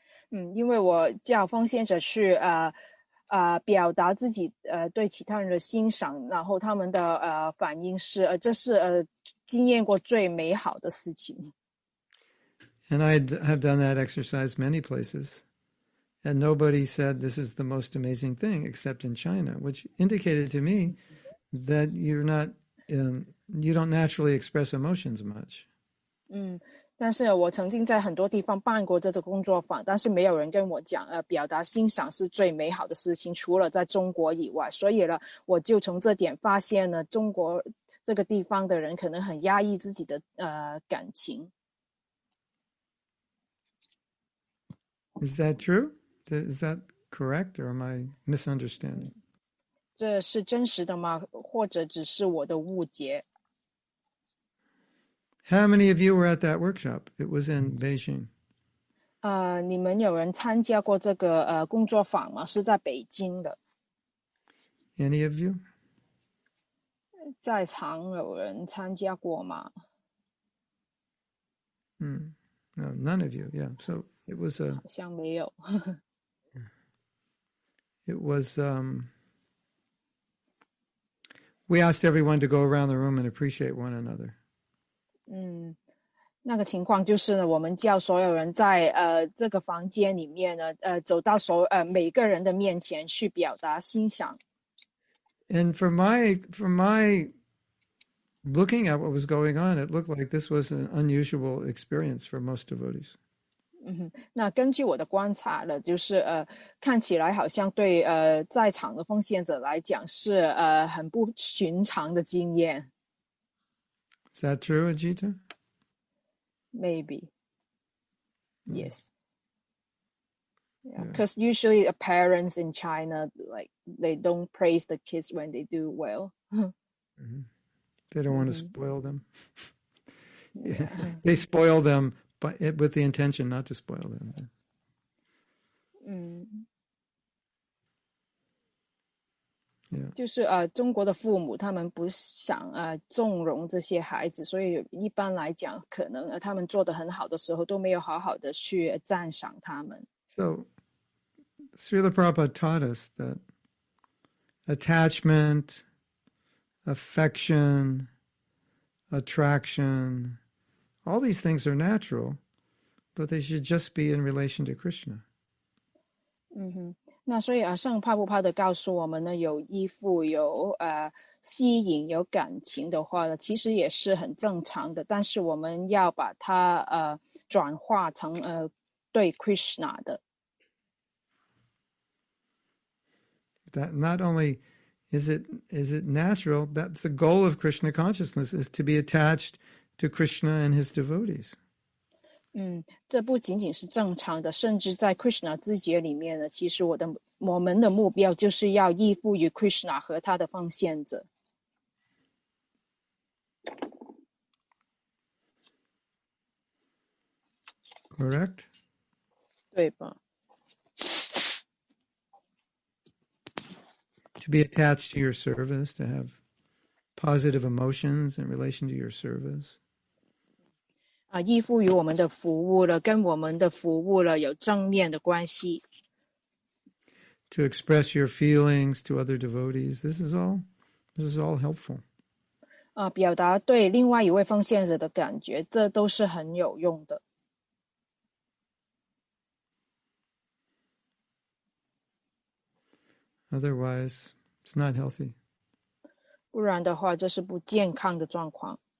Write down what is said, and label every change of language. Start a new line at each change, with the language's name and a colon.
Chinese: 嗯，因为我叫奉献者去表达自己对其他人的欣赏，然后他们的反应是这是经验过最美好的事情。
English: And I have done that exercise many places, and nobody said this is the most amazing thing except in China, which indicated to me that you're not you don't naturally express emotions much. 嗯。
Chinese: 但是我曾经在很多地方办过这种工作坊，但是没有人跟我讲表达欣赏是最美好的事情，除了在中国以外。所以呢，我就从这点发现呢，中国这个地方的人可能很压抑自己的感情。
English: Is that true? Is that correct or am I misunderstanding?
Chinese: 这是真实的吗？或者只是我的误解？
English: How many of you were at that workshop? It was in Beijing.
Chinese: 你们有人参加过这个工作坊吗？是在北京的。
English: Any of you?
Chinese: 在场有人参加过吗？
English: No, none of you. Yeah. So it was a.
Chinese: 好像没有。
English: It was We asked everyone to go around the room and appreciate one another.
Chinese: 嗯，那个情况就是呢，我们叫所有人在这个房间里面呢，走到每个人的面前去表达欣赏。
English: And for my looking at what was going on, it looked like this was an unusual experience for most devotees.
Chinese: 那根据我的观察呢，就是看起来好像对在场的奉献者来讲是很不寻常的经验。
English: Is that true, Ajita? Maybe. Yes. Because usually parents in China, like, they don't praise the kids when they do well. They don't want to spoil them. They spoil them, but with the intention not to spoil them. Yeah.
Chinese: 就是中国的父母他们不想纵容这些孩子，所以一般来讲可能他们做得很好的时候都没有好好的去赞赏他们。
English: So Srila Prabhupada taught us that attachment, affection, attraction, all these things are natural, but they should just be in relation to Krishna.
Chinese: 那所以啊，圣帕布帕的告诉我们呢，有依附、有吸引、有感情的话呢，其实也是很正常的。但是我们要把它转化成对 Krishna 的。
English: That not only is it natural, that's the goal of Krishna consciousness is to be attached to Krishna and his devotees.
Chinese: 这不仅仅是正常的，甚至在 Krishna 自觉里面呢，其实我们的目标就是要依附于 Krishna 和他的奉献者。
English: Correct?
Chinese: 对吧？
English: To be attached to your service, to have positive emotions in relation to your service.
Chinese: 依附于我们的服务了，跟我们的服务了有正面的关系。
English: To express your feelings to other devotees, this is all helpful.
Chinese: 表达对另外一位奉献者的感觉，这都是很有用的。
English: Otherwise, it's not healthy.
Chinese: 不然的话，这是不健康的状况。